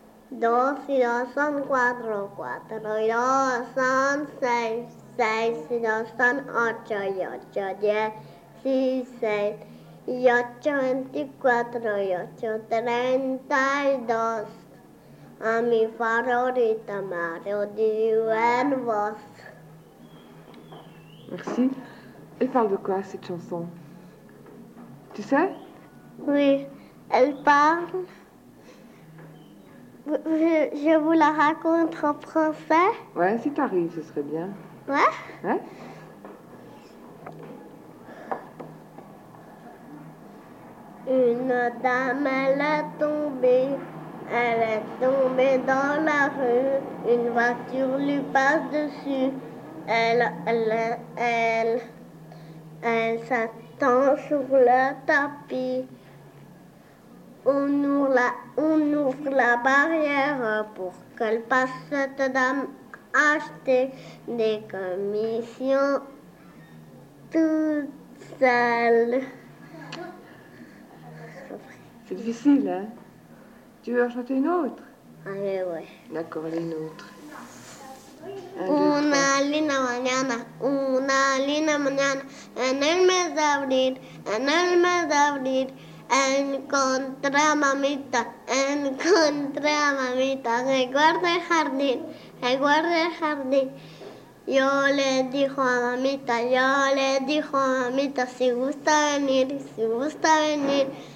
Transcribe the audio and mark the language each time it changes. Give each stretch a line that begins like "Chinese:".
Spanish: 2 y 2 son 4, 4 y 2 son 6, 6 y 2 son 8 y 8, 16 y 8, 24 y 8, 32. A mi favorita Mario en voz.
French: Merci. Elle parle de quoi, cette chanson? Tu sais? Oui, elle parle. Je vous la raconte en français. Ouais, si t'arrives, ce serait bien. Ouais? Ouais? Une dame, elle est tombée. Elle est tombée dans la rue, une voiture lui passe dessus. Elle s'attend sur le tapis. On ouvre la barrière pour qu'elle passe, cette dame, acheter des commissions toute seule. C'est difficile, hein? Tu veux en chanter une autre? Allez, ouais. D'accord, allez, une autre.
Spanish: Una linda mañana, una linda mañana, en el mes de abril, en el mes de abril, encontré a mamita, recuerda el jardín, yo le dijo a mamita, si gusta venir,